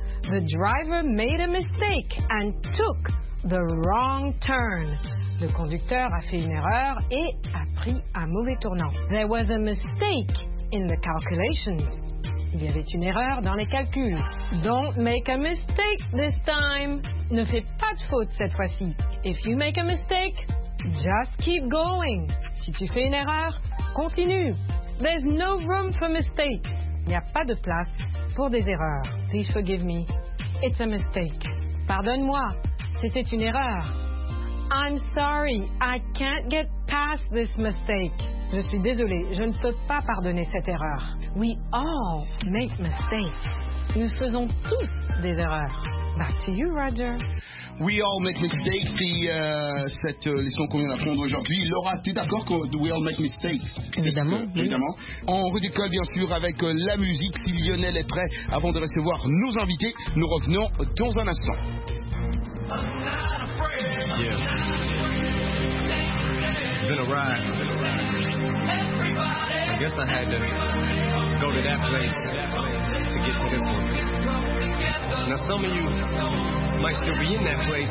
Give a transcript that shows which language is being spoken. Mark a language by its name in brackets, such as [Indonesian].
[English] The driver made a mistake and took the wrong turn. [French] Le conducteur a fait une erreur et a pris un mauvais tournant. [English] There was a mistake in the calculations. [French] Il y avait une erreur dans les calculs. [English] Don't make a mistake this time. [French] Ne fais pas de faute cette fois-ci. [English] If you make a mistake, just keep going. [French] Si tu fais une erreur, continue. [English] There's no room for mistakes. [French] Il n'y a pas de place pour des erreurs. [English] Please forgive me. It's a mistake. [French] Pardonne-moi. C'était une erreur. [English] I'm sorry, I can't get past this mistake. [French] Je suis désolée, je ne peux pas pardonner cette erreur. [English] We all make mistakes. [French] Nous faisons tous des erreurs. [English] Back to you, Roger. We all make mistakes. [French] Cette leçon qu'on vient d'apprendre aujourd'hui. Laura, t'es d'accord que [English] we all make mistakes? [French] Évidemment. Oui. Évidemment. On redécolle bien sûr avec la musique. Si Lionel est prêt, avant de recevoir nos invités, nous revenons dans un instant. [English] I guess I had to go to that place to get to this one. Now some of you might still be in that place.